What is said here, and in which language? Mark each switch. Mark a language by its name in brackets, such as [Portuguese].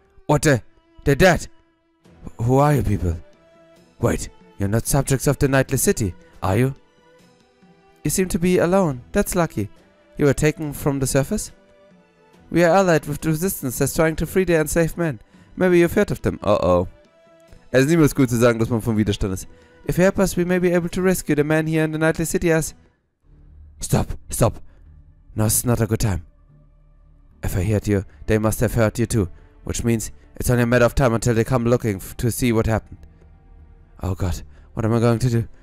[English] What the? They're dead! Who are you people? Wait, you're not subjects of the Nightly City, are you? You seem to be alone. That's lucky. You were taken from the surface? We are allied with the resistance that's trying to free the unsafe men. Maybe you've heard of them. Uh-oh. [German] Es ist niemals gut zu sagen, dass man vom Widerstand ist. [English] If you help us, we may be able to rescue the man here in the Nightly City as... Stop! Stop! No, it's not a good time. If I heard you, they must have heard you too. Which means it's only a matter of time until they come looking to see what happened. Oh god, what am I going to do?